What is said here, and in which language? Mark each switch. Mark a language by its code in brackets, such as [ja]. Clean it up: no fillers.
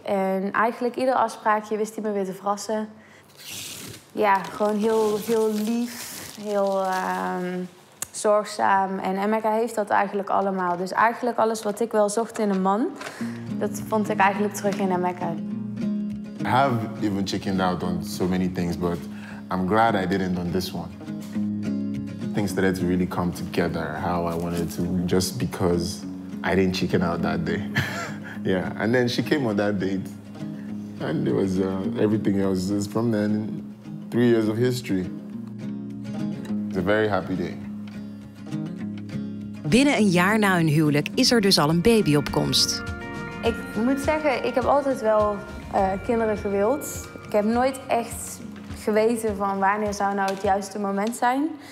[nl] En eigenlijk ieder afspraakje wist hij me weer te verrassen. Ja, gewoon heel, heel lief, heel... zorgzaam. En Emeka heeft dat eigenlijk allemaal. Dus eigenlijk alles wat ik wel zocht in een man, dat vond ik eigenlijk terug in Emeka. [en] I have even chickened out on so many things, but I'm glad I didn't on this one. Things started to really come together how I wanted to, just because I didn't chicken out that day. Yeah, and then she came on that date. And it was everything else is from then, 3 years of history. It's a very happy day. [nl] Binnen een jaar na hun huwelijk is er dus al een baby op komst. Ik moet zeggen, ik heb altijd wel kinderen gewild. Ik heb nooit echt geweten van wanneer zou nou het juiste moment zijn.